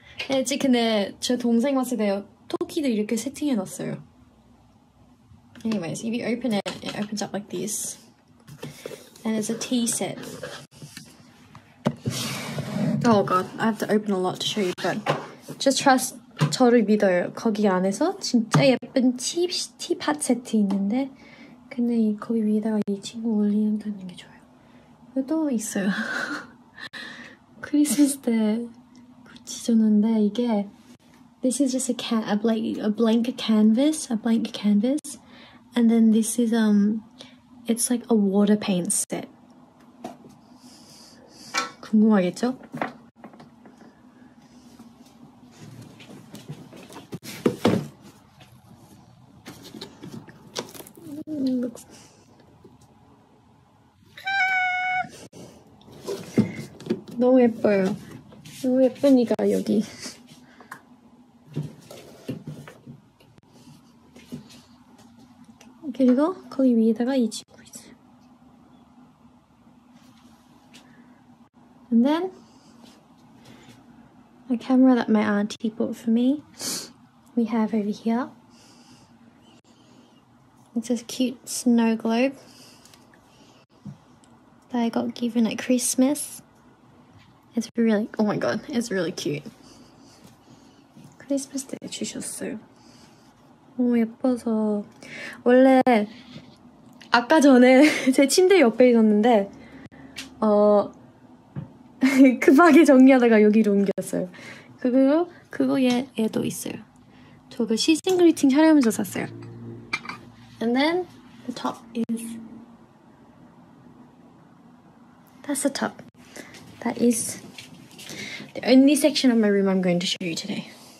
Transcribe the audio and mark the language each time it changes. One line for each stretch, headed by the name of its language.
Korean: 네, 근데 제 동생 왔을 때 토끼도 이렇게 세팅해놨어요.
English: Anyways, if you open it, it opens up like this. And it's a tea set. Oh god, I have to open a lot to show you, but... Just trust...
Korean: 저를 믿어요. 거기 안에서 진짜 예쁜 티팟 세트 있는데 근데 거기 위에다가 이 친구 올린다는 게 좋아요. 이거 또 있어요. 크리스마스 때 구찌 줬는데 이게
English: This is just a blank canvas. And then this is it's like a water paint set.
Korean: 궁금하겠죠?
English: Looks...
Korean: 너무 예뻐요. 너무 예쁘니까 여기. 그리고 거기 위에다가 이 친구 이제.
English: And then a camera that my auntie bought for me. We have over here. It's this cute snow globe that I got given at Christmas. It's really, oh my god, it's really cute. Christmas day
Korean: 주셨어요. 너무 예뻐서. 원래 아까 전에 제 침대 옆에 있었는데 급하게 정리하다가 여기로 옮겼어요. 그거 얘도 있어요. 저 그 시즌 그리팅 촬영하면서 샀어요.
English: And then the top is, that's the top. That is the only section of my room I'm going to show you today.